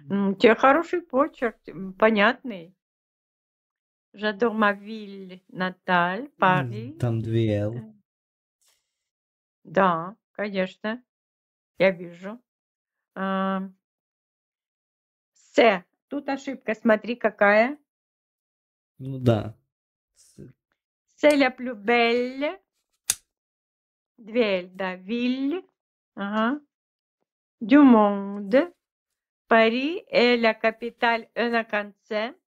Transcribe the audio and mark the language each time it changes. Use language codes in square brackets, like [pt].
[ru] У тебя хороший почерк, понятный. [fr] J'adore ma ville natale, Paris. [ru] Там две Л. Да, конечно. Я вижу. С. Тут ошибка, смотри, какая. Ну да. [fr] С la plus belle. [ru] Две Л, да, ville. [fr] Ага. Du monde. Paris est la capitale en [ru] конце.